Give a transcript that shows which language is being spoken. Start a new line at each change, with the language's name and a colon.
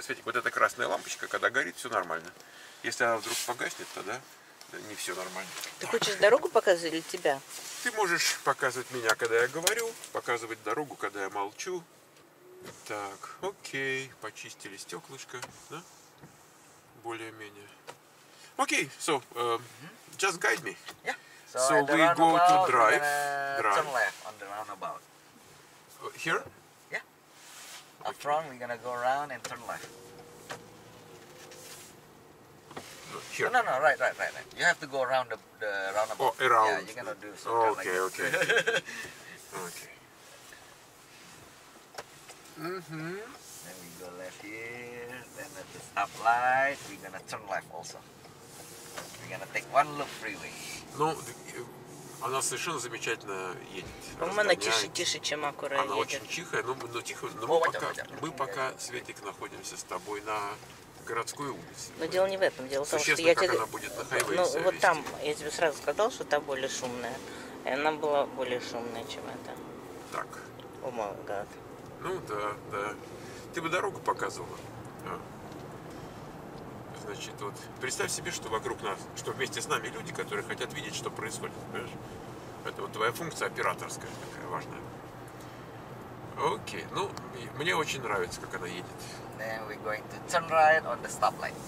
Russian: Светик, вот эта красная лампочка, когда горит, все нормально. Если она вдруг погаснет, тогда не все нормально. Ты хочешь дорогу показывать или тебя? Ты можешь показывать меня, когда я говорю, показывать дорогу, когда я молчу. Так, окей, почистили стеклышко, да? Более-менее.
English: Окей, so, just guide me. Yeah. So we go to drive. Turn left on the roundabout. Here? Yeah. Up front, we're gonna go around and turn left. Here. No, no, no, right. You have to go around the roundabout. Oh, around. Yeah, you're gonna do something like this. Okay. Okay. Mm-hmm. Then we go left here. Then at the stop light, we're gonna turn left also. We're gonna take one loop freeway.
Russian: Ну, она совершенно замечательно едет. По-моему, она тише, чем аккуратно едет. Она очень тихая, но тихо. Но мы пока, Светик, находимся с тобой на городской улице. Но дело не в этом. Дело в том, что она будет на хайвее. Ну, вот там, я тебе сразу сказал, что та более шумная. И она была более шумная, чем эта. Так. О, мой гад. Ну, да. Ты бы дорогу показывала. Значит, вот представь себе, что вокруг нас, что вместе с нами люди, которые хотят видеть, что происходит. Понимаешь? Это вот твоя функция операторская такая важная. Окей. Ну, мне очень нравится, как она едет.
English: Then we're going to turn right on the stoplight.